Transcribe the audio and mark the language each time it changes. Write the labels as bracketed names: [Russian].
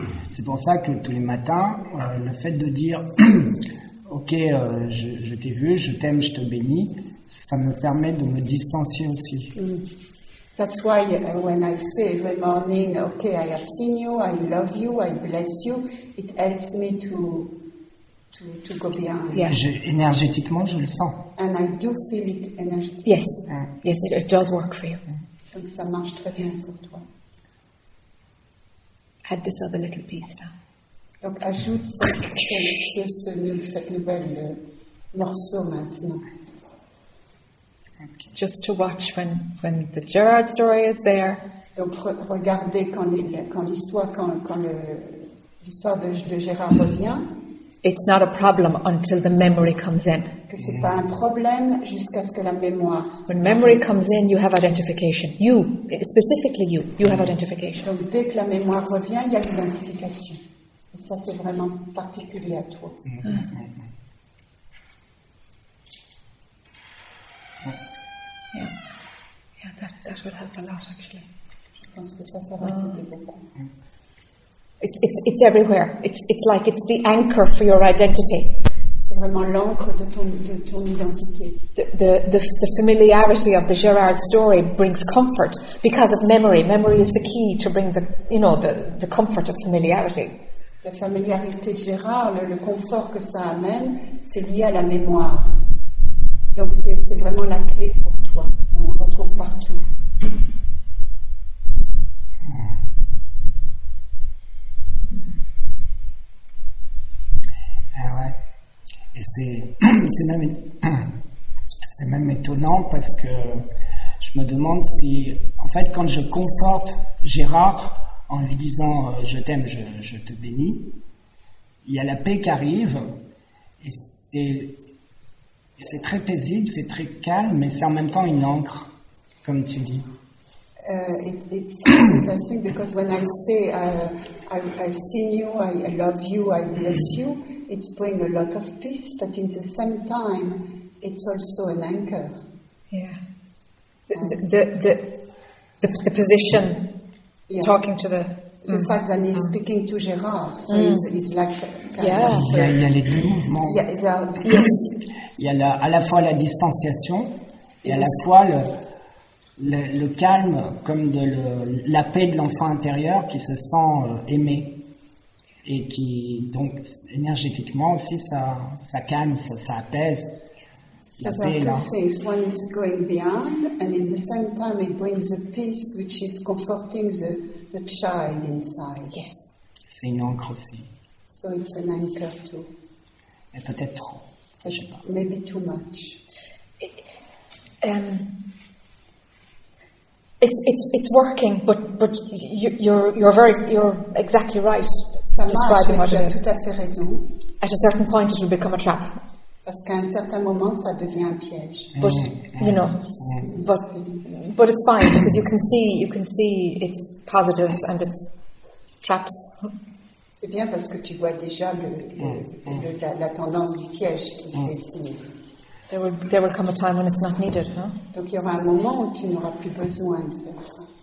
[French] C'est pour ça que tous les matins, le fait de dire OK, je t'ai vu, je t'aime, je te bénis, ça me permet de me distancier aussi. [English] That's why when I say every morning, OK, I have seen you, I love you, I bless you, it helps me to go beyond. [French] Yeah. Énergétiquement, je le sens. [English] And I do feel it energetically. Yes. Yeah. Yes, it does work for you. [French] Donc ça marche très bien sur toi. [English] Add this other little piece now. [French] Donc ajoute cette nouvelle morceau maintenant. [English] Okay. Just to watch when the Gerard story is there. [French] Donc regardez quand l'histoire de Gérard revient. [English] It's not a problem until the memory comes in. [French] Que c'est pas un problème jusqu'à ce que la mémoire. [English] When memory comes in, you have identification. You, specifically you, you have identification. [French] Donc dès que la mémoire revient, il y a l'identification. Et ça, c'est vraiment particulier à toi. [English] Mm-hmm. Yeah, that would help a lot, actually. [French] Je pense que ça va t'aider beaucoup. [English] It's everywhere. It's like it's the anchor for your identity. [French] C'est vraiment l'ancre de ton identité. [English] The familiarity of the Gerard story brings comfort because of memory. Memory is the key to bring the comfort of familiarity. [French] La familiarité de Gérard, le confort que ça amène, c'est lié à la mémoire. Donc c'est vraiment la clé pour toi. On retrouve partout. Ah ouais. Et c'est même étonnant parce que je me demande si, en fait, quand je conforte Gérard en lui disant « je t'aime, je te bénis », il y a la paix qui arrive, et c'est très paisible, c'est très calme, mais c'est en même temps une encre, comme tu dis. [English] It's interesting because when I say I've seen you, I love you, I bless you, it's bringing a lot of peace, but in the same time, it's also an anchor. Yeah. The position, yeah. Talking to the... The fact that he's speaking to Gérard, so he's like... [French] Il y a les deux mouvements. Il y a à la fois la distanciation, et à la fois le calme, comme de la paix de l'enfant intérieur qui se sent aimé. Et qui, donc, énergétiquement aussi, ça calme, ça apaise. [English] Two things. One is going behind, and in the same time, it brings a peace which is comforting the child inside. Yes. [French] C'est une ancre aussi. [English] So it's an anchor too. [French] Et peut-être trop. Je sais pas. [English] Maybe too much. It's working, but you're exactly right. [French] Ça [English] describing [French] marche, [English] what it is. [French] Tout à fait raison. [English] At a certain point, it will become a trap. [French] Parce qu'à un certain moment, ça devient un piège. [English] But it's fine because you can see it's positives and it's traps. [French] C'est bien parce que tu vois déjà la tendance du piège qui se dessine. [English] There will come a time when it's not needed, huh? [French] Donc il y aura un moment où tu n'auras plus besoin de faire ça.